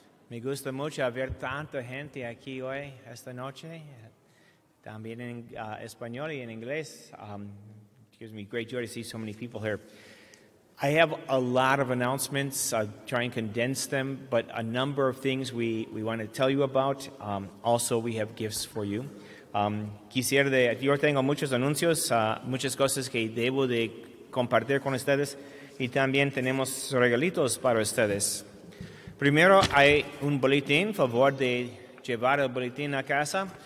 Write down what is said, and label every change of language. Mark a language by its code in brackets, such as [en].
[es] Me gusta mucho ver tanta gente aquí hoy, esta noche. También en español y en inglés. [en] Gives me great joy to see so many people here. I have a lot of announcements. I'll try and condense them, but a number of things we want to tell you about. Also, we have gifts for you. [es] Yo tengo muchos anuncios, muchas cosas que debo de compartir con ustedes, y también tenemos regalitos para ustedes. Primero, hay un boletín, favor de llevar el boletín a casa.